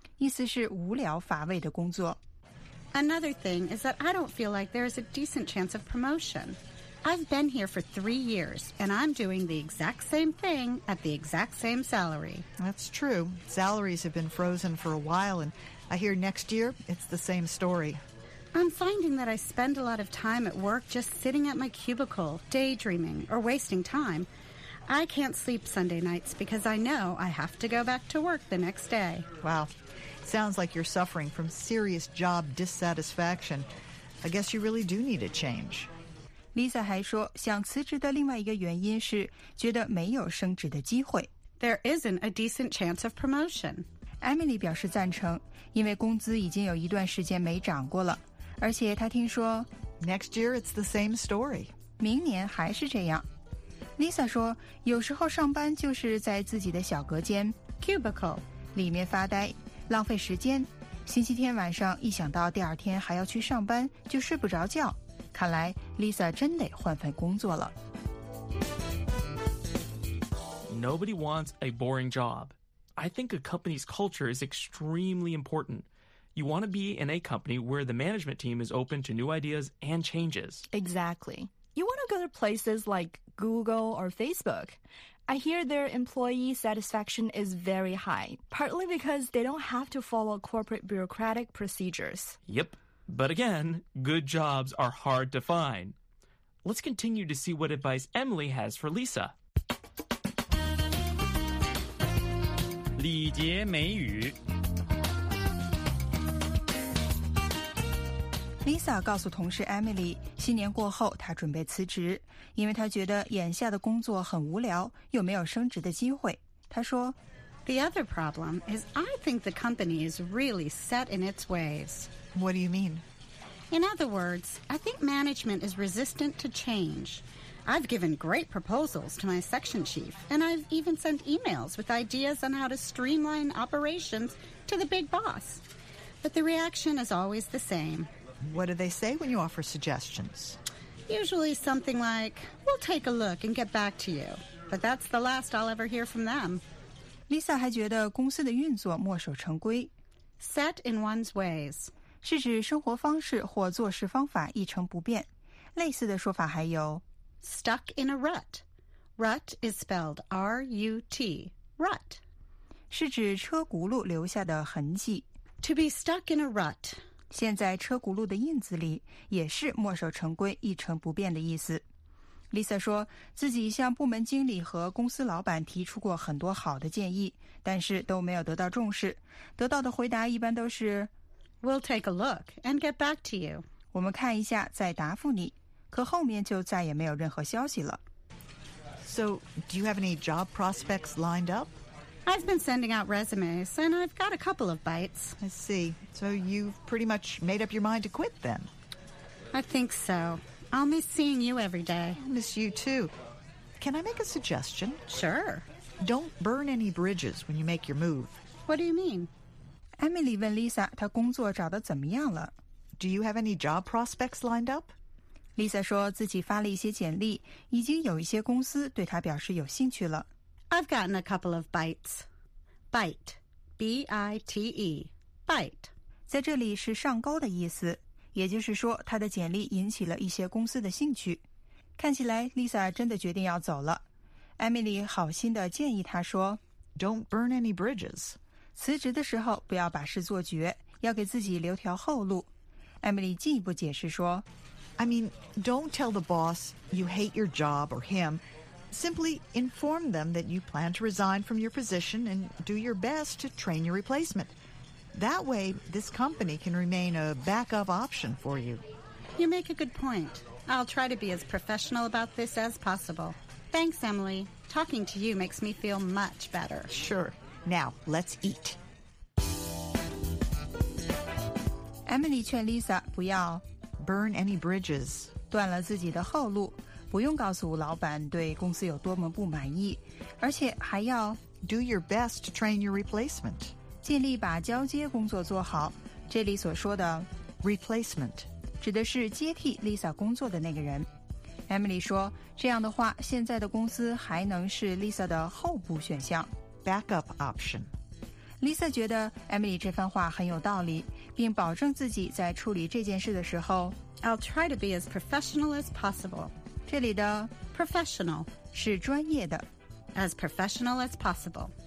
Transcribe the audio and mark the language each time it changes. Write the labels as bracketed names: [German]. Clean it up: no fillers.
[Chinese] 意思是无聊乏味的工作。 [English] Another thing is that I don't feel like there is a decent chance of promotion. I've been here for 3 years, and I'm doing the exact same thing at the exact same salary. That's true. Salaries have been frozen for a while, and I hear next year it's the same story. I'm finding that I spend a lot of time at work just sitting at my cubicle, daydreaming, or wasting time. I can't sleep Sunday nights because I know I have to go back to work the next day. Wow. Sounds like you're suffering from serious job dissatisfaction. I guess you really do need a change. [Chinese] Lisa 还说想辞职的另外一个原因是觉得没有升职的机会。 [English] there isn't a decent chance of promotion. [Chinese] Emily 表示赞成，因为工资已经有一段时间没涨过了，而且她听说 [English] Next year it's the same story. [Chinese] 明年还是这样。 Lisa 说，有时候上班就是在自己的小隔间 [English] cubicle [Chinese] 里面发呆，浪费时间。星期天晚上一想到第二天还要去上班，就睡不着觉。看来 Lisa 真得换份工作了。 [English] Nobody wants a boring job. I think a company's culture is extremely important. You want to be in a company where the management team is open to new ideas and changes. Exactly. You want to go to places like Google or Facebook. I hear their employee satisfaction is very high, partly because they don't have to follow corporate bureaucratic procedures. Yep. But again, good jobs are hard to find. Let's continue to see what advice Emily has for Lisa. [Chinese] 礼节美语 Lisa 告诉同事 Emily, 新年过后她准备辞职。因为他觉得眼下的工作很无聊，又没有升职的机会。他说 [English] The other problem is I think the company is really set in its ways. What do you mean? In other words, I think management is resistant to change. I've given great proposals to my section chief, and I've even sent emails with ideas on how to streamline operations to the big boss. But the reaction is always the same. What do they say when you offer suggestions? Usually something like, we'll take a look and get back to you. But that's the last I'll ever hear from them. [Chinese] Lisa 还觉得公司的运作墨守成规。 [English] Set in one's ways. [Chinese] 是指生活方式或做事方法一成不变。类似的说法还有 [English] Stuck in a rut. Rut is spelled R-U-T. Rut. [Chinese] 是指车轱辘留下的痕迹。 [English] To be stuck in a rut. [Chinese] 现在车轱辘的印子里也是墨守成规一成不变的意思。 Lisa 说自己向部门经理和公司老板提出过很多好的建议，但是都没有得到重视。得到的回答一般都是 [English] We'll take a look and get back to you. [Chinese] 我们看一下再答复你。可后面就再也没有任何消息了。 [English] So, do you have any job prospects lined up? I've been sending out resumes, and I've got a couple of bites. I see. So you've pretty much made up your mind to quit, then? I think so. I'll miss seeing you every day. I'll miss you, too. Can I make a suggestion? Sure. Don't burn any bridges when you make your move. What do you mean? [Chinese] Emily 问 Lisa 她工作找得怎么样了。 [English] Do you have any job prospects lined up? [Chinese] Lisa 说自己发了一些简历，已经有一些公司对她表示有兴趣了。 [English] I've gotten a couple of bites. Bite. B-I-T-E. Bite. [Chinese] 在这里是上钩的意思，也就是说她的简历引起了一些公司的兴趣。看起来 Lisa 真的决定要走了。Emily 好心地建议她说 [English] Don't burn any bridges. [Chinese] 辞职的时候不要把事做绝，要给自己留条后路。 Emily 进一步解释说 [English] I mean, don't tell the boss you hate your job or him. Simply inform them that you plan to resign from your position and do your best to train your replacement. That way, this company can remain a backup option for you. You make a good point. I'll try to be as professional about this as possible. Thanks, Emily. Talking to you makes me feel much better. Sure. Now, let's eat. [Chinese] Emily 劝 Lisa 不要 [English] burn any bridges. [Chinese] 断了自己的后路。不用告诉老板对公司有多么不满意，而且还要 [English] do your best to train your replacement， [Chinese] 尽力把交接工作做好。这里所说的 [English] replacement [Chinese] 指的是接替 Lisa 工作的那个人。Emily 说，这样的话，现在的公司还能是 Lisa 的候补选项 [English] backup option。 [Chinese] Lisa 觉得 Emily 这番话很有道理，并保证自己在处理这件事的时候 [English] ，I'll try to be as professional as possible。 [Chinese] 这里的 [English] professional [Chinese] 是专业的 [English] as professional as possible